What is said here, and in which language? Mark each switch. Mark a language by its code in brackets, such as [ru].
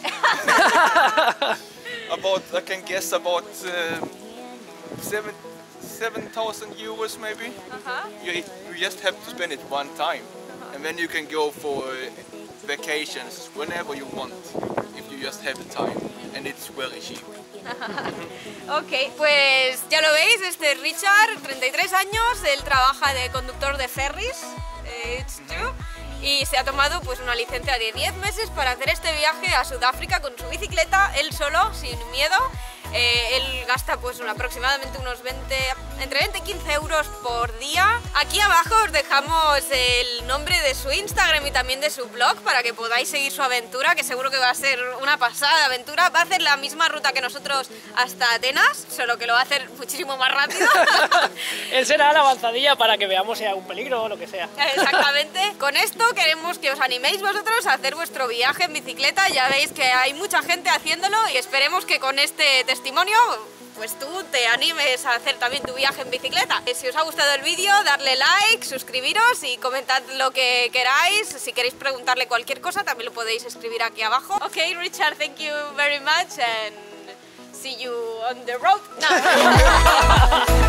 [en] I can guess about 7,000 euros maybe. You just have to spend it one time, and then you can go for vacations whenever you want if you just have the time, and it's very cheap. [es] Okay, pues ya lo veis, este es Richard, 33 años, él trabaja de conductor de ferries. [en] It's true. [es] Y se ha tomado pues una licencia de 10 meses para hacer este viaje a Sudáfrica con su bicicleta, él solo, sin miedo. Él gasta pues aproximadamente unos 20, entre 20 y 15 euros por día. Aquí abajo os dejamos el nombre de su Instagram y también de su blog para que podáis seguir su aventura, que seguro que va a ser una pasada de aventura. Va a hacer la misma ruta que nosotros hasta Atenas, solo que lo va a hacer muchísimo más rápido. Él será la avanzadilla para que veamos si hay algún peligro o lo que sea. Exactamente. Con esto queremos que os animéis vosotros a hacer vuestro viaje en bicicleta. Ya veis que hay mucha gente haciéndolo y esperemos que con este testimonio pues tú te animes a hacer también tu viaje en bicicleta. Si os ha gustado el vídeo, darle like, suscribiros y comentad lo que queráis. Si queréis preguntarle cualquier cosa también lo podéis escribir aquí abajo. [en] Ok, Richard, thank you very much and see you on the road now.